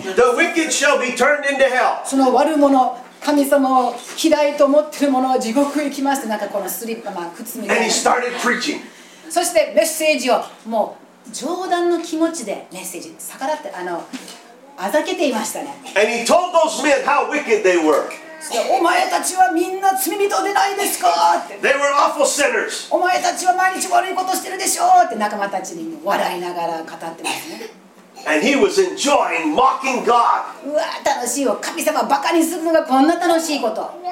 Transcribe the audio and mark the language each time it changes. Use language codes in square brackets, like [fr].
[en] The wicked shall be turned into hell. [ja] その悪者、神様を嫌いと思ってる者は地獄へ行きます。なんかこのスリッパ、まあ、靴みたいな。 [en] And he started preaching. [ja] そしてメッセージを、もう冗談の気持ちでメッセージ、逆らって、あざけていましたね。 [en] And he told those men how wicked they were. [ja] お前たちはみんな罪人でないですかって。 [en] They were awful sinners. [ja] お前たちは毎日悪いことしてるでしょって仲間たちに笑いながら語ってますね。 [en] And he was enjoying mocking God. [ja] うわ楽しいよ、神様バカにするのがこんな楽しいこと。